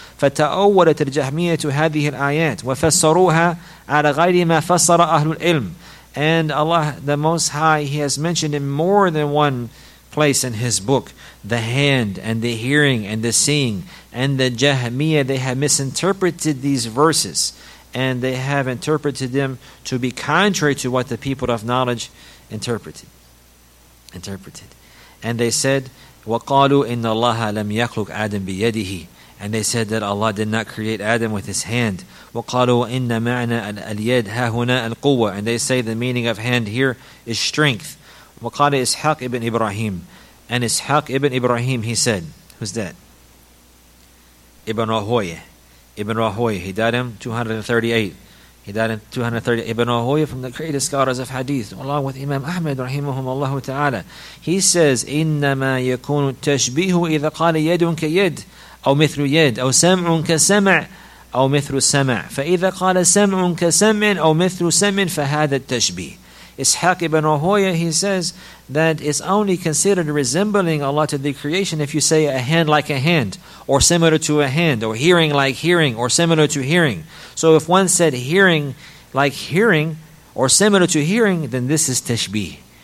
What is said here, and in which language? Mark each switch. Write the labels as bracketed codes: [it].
[ar] فتأولت الجهمية هذه الآيات وفسروها على غير ما فسر أهل العلم. [en] And Allah the Most High, He has mentioned in more than one place in His book the hand and the hearing and the seeing and the Jahmiyyah. They have misinterpreted these verses and they have interpreted them to be contrary to what the people of knowledge interpreted. And they said, [ar] وَقَالُوا إِنَّ اللَّهَ لَمْ يَخْلُقْ آدَمْ بِيَدِهِ. [en] And they said that Allah did not create Adam with His hand. [ar] وَقَالُوا إِنَّ مَعْنَا الْيَدْ هَا هُنَا الْقُوَّةِ. [en] And they say the meaning of hand here is strength. [ar] وَقَالَ إِسْحَاقِ [en] ibn Ibrahim. And إِسْحَاقِ ibn Ibrahim, he said, who's that? Ibn Rahoyah. He died in 238. Ibn Rahoyah, from the greatest scholars of hadith, along with Imam Ahmad, rahimahum Allah ta'ala. He says, [ar] إِنَّمَا يَكُونُ تَشْبِيهُ إِذَا قَالَ يَدٌ كَيَدٌ أو مثل يد أو سمع كسمع أو مثل سمع فإذا قال سمع كسمع أو مثل سمع فهذا التشبيه. [en] Ishaq ibn Rahoyah, he says that it's only considered resembling Allah to the creation if you say a hand like a hand, or similar to a hand, or hearing like hearing, or similar to hearing. So if one said hearing like hearing, or similar to hearing, then this is tashbih.